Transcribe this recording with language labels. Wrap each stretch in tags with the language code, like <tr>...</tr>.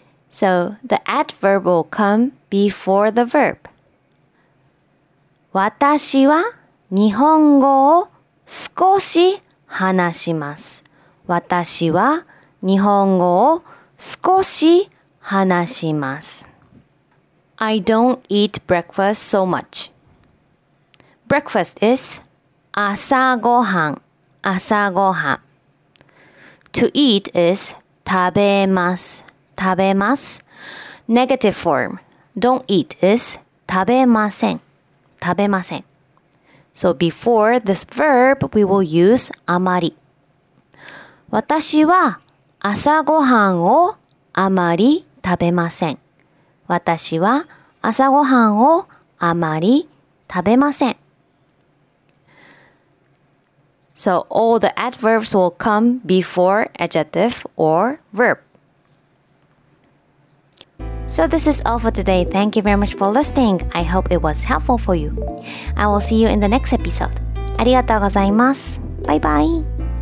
<en>So the adverb will come before the verb.</en> <ja>私は日本語を少し話します。私は日本語を少し話します。</ja> <en>I don't eat breakfast so much. Breakfast is</en> <ja>朝ごはん、朝ごはん。</ja> <en>To eat is</en> <ja>食べます、食べます。</ja> <en>Negative form, don't eat is</en> <ja>食べません、食べません。</ja> <en>So before this verb, we will use あまり。</en> <ja>私は朝ごはんをあまり食べません。私は朝ごはんをあまり食べません。</ja> <en>So all the adverbs will come before adjective or verb. So this is all for today. Thank you very much for listening. I hope it was helpful for you. I will see you in the next episode.</en> <ja>ありがとうございます。バイバイ。</ja>